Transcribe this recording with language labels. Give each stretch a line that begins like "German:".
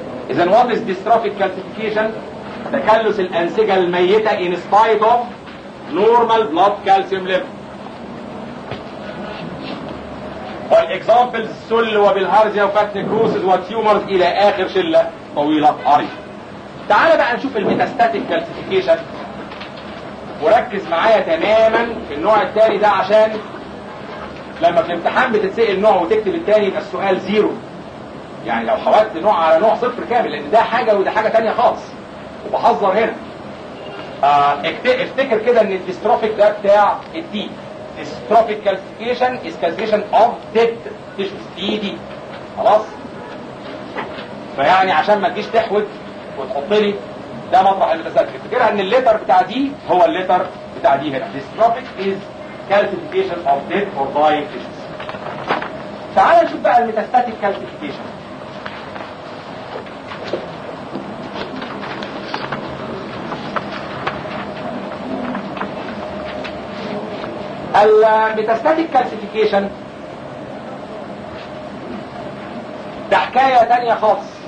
English: اذا what is dystrophic calcification؟
Arabic: تكلس الانسجة الميتة
English: in spite of normal blood calcium level.
Arabic: والاكزامبلز السل وبالهارزيا وفاتني كروسز وتيومرز الى اخر شلة طويلة عريضة. تعال بقى نشوف الميتاستاتيك كالسيفيكيشن وركز معايا تماما في النوع التاني ده، عشان لما في الامتحان بتتسأل نوع وتكتب التاني يبقى السؤال زيرو، يعني لو حولت نوع على نوع صفر كامل، لان ده حاجة وده حاجة تانية خاص وبحذر هنا. افتكر كده ان الديستروفيك ده بتاع التي.
English: Dystrophic calcification is calcification of dead tissues.
Arabic: DD. خلاص؟ فيعني عشان ما تجيش تحود وتحطلي ده مطرح المتزاد. افتكرها ان الليتر بتاع دي هو الليتر بتاع دي هنا.
English: Dystrophic is calcification of dead or dying tissues.
Arabic: تعال نشوف بقى الميتاستاتيك calcification. الميتاستاتيك كالسيفيكيشن ده حكاية تانية خاص.